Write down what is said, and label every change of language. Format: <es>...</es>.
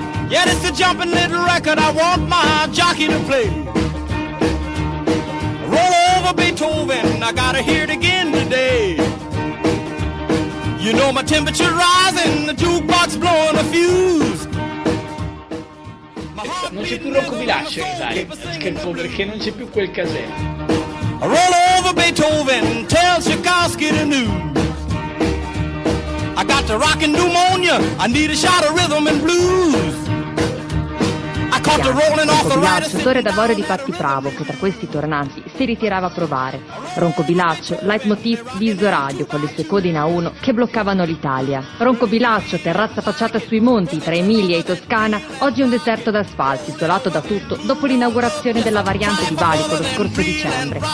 <en>Yeah, it's a jumping little record I want my jockey to play. Beethoven, I gotta hear it again today. You know my temperature rising, the jukebox blowing a fuse.</en> <it>Non c'è più Rocco Bilascio, sai, schifo, perché non c'è più quel casello.</it> <en>Roll over Beethoven, tell Tchaikovsky the news. I got the rockin' pneumonia, I need a shot of rhythm and blues.</en> <it>Ronco Bilaccio, storia d'amore di Patti Pravo, che tra questi tornanti si ritirava a provare. Ronco Bilaccio, leitmotiv di Isoradio, con le sue code in A1 che bloccavano l'Italia. Ronco Bilaccio, terrazza facciata sui monti, tra Emilia e Toscana, oggi un deserto d'asfalto, isolato da tutto, dopo l'inaugurazione della variante di Valico lo scorso dicembre.</it>